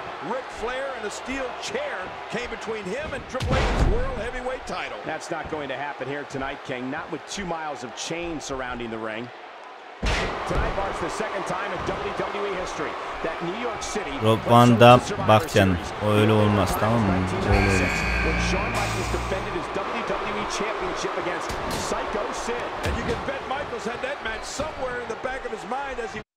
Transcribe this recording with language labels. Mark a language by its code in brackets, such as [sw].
[en] Rick Flair and a steel chair came between him and Triple H's World Heavyweight title. That's not going to happen here tonight, King. Not with 2 miles of chain surrounding the ring. Tonight marks the second time in WWE history that New York City. [tr] Rob Van Dam, bak canım, o öyle olmaz, tamam mı? Öyle olmaz. [en] When Shawn Michaels defended his WWE Championship against Psycho Sid, and you can bet Michaels had that match somewhere in the back of his mind as he.